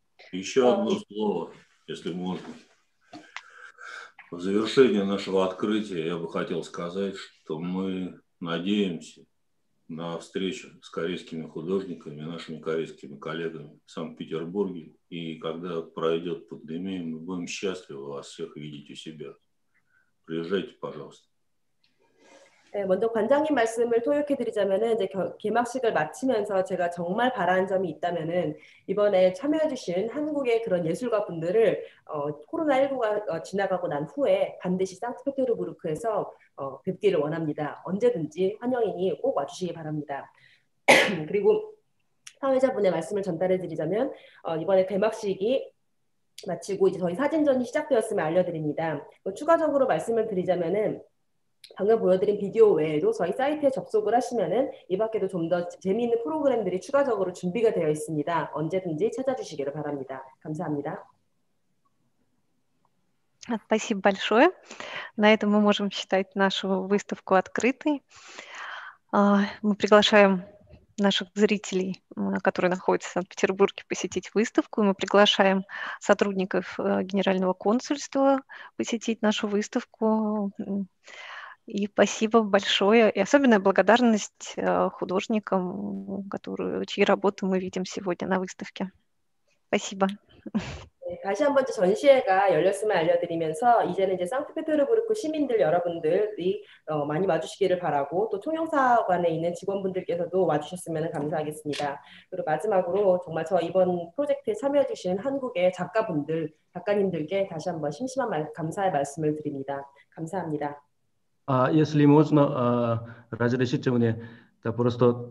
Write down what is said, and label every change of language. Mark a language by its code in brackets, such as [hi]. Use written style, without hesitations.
[ru] Еще одно слово, если можно. В завершение нашего открытия я бы хотел сказать, что мы надеемся на встречу с корейскими художниками, нашими корейскими коллегами в Санкт-Петербурге. И когда пройдет пандемия, мы будем счастливы вас всех видеть у себя. Приезжайте, пожалуйста. [ko] 네, 먼저 관장님 말씀을 토역해 드리자면은 이제 개막식을 마치면서 제가 정말 바라는 점이 있다면은 이번에 참여해주신 한국의 그런 예술가 분들을 코로나19가 지나가고 난 후에 반드시 상트페테르부르크에서 뵙기를 원합니다. 언제든지 환영이니 꼭 와주시기 바랍니다. 그리고 사회자분의 말씀을 전달해 드리자면 이번에 개막식이 마치고 이제 저희 사진전이 시작되었음을 알려드립니다. 추가적으로 말씀을 드리자면은 방금 보여드린 비디오 외에도 저희 사이트에 접속을 하시면은 이 밖에도 좀 더 재미있는 프로그램들이 추가적으로 준비가 되어 있습니다. 언제든지 찾아주시기를 바랍니다. 감사합니다. [ru] Спасибо большое. На этом мы можем считать нашу выставку открытой. Мы приглашаем наших зрителей, которые находятся в Санкт-Петербурге, посетить выставку. Мы приглашаем сотрудников Генерального консульства посетить нашу выставку. И спасибо большое, и особенная благодарность художникам, чьи работы мы видим сегодня на выставке. Спасибо. [ko] 네, 다시 한번 전시회가 열렸음을 알려드리면서 이제는 이제 상트페테르부르크 시민들 여러분들이 많이 와주시기를 바라고 또 총영사관에 있는 직원분들께서도 와주셨으면 감사하겠습니다. 그리고 마지막으로 정말 저 이번 프로젝트에 참여해주신 한국의 작가분들, 작가님들께 다시 한번 심심한 감사의 말씀을 드립니다. 감사합니다. [ru] А если можно, разрешите мне, да просто...